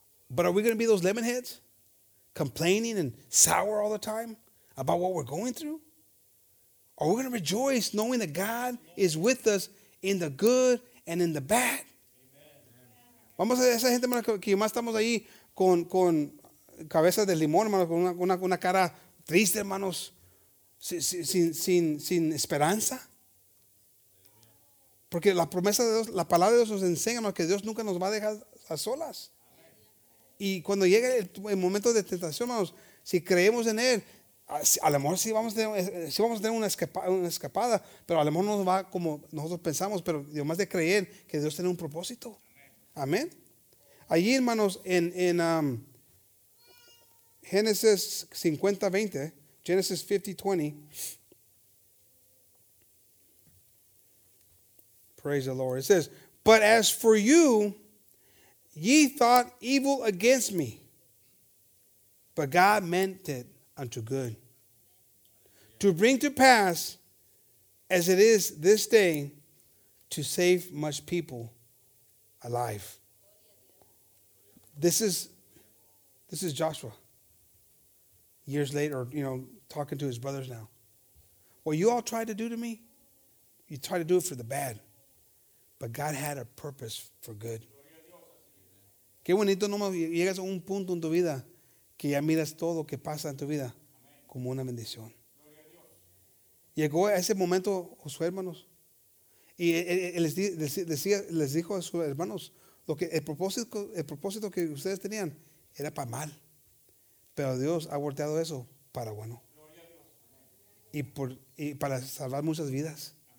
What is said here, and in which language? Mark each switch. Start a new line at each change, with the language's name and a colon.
English: But are we going to be those lemonheads? Complaining and sour all the time about what we're going through? Are we going to rejoice knowing that God is with us in the good and in the bad?
Spanish: Vamos a esa gente, hermano, que más estamos ahí con cabeza de limón, hermano, con una cara triste, hermanos, sin esperanza. Porque la promesa de Dios, la palabra de Dios nos enseña, hermano, que Dios nunca nos va a dejar a solas. Y cuando llega el momento de tentación, hermanos, si creemos en Él, a lo mejor sí vamos a tener una escapada, pero a lo mejor no nos va como nosotros pensamos, pero además de creer que Dios tiene un propósito. Amén. Allí, hermanos, en Génesis 50:20,
English: Génesis 50:20, praise the Lord, it says, but as for you, ye thought evil against me, but God meant it unto good, to bring to pass, as it is this day, to save much people alive. This is Joshua, years later, you know, talking to his brothers now. What you all tried to do to me, you tried to do it for the bad, but God had a purpose for good.
Spanish: Qué bonito, no más llegas a un punto en tu vida que ya miras todo que pasa en tu vida como una bendición. Llegó a ese momento Josué, hermanos, y él les dijo a sus hermanos lo que el propósito que ustedes tenían era para mal, pero Dios ha volteado eso para bueno y para salvar muchas vidas.